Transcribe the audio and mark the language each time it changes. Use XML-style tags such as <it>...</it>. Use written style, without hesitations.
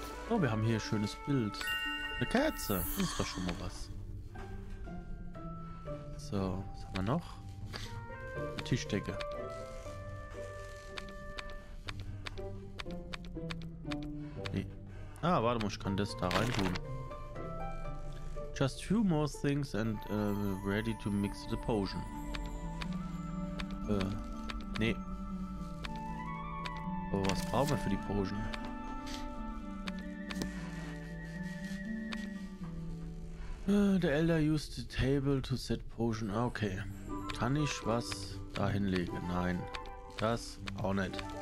<de>Oh, wir haben hier ein schönes Bild. Eine Kerze. Das ist doch schon mal was. So, was haben wir noch? Eine Tischdecke. Nee. Ah, warte mal, ich kann das da rein tun.</de> <en>Just two more things and ready to mix the potion.</en> <de>Nee. Aber was brauchen wir für die Potion?</de> <en>The Elder used the table to set potion. Okay.</en> <de>Kann ich was da hinlegen? Nein. Das auch nicht.</de>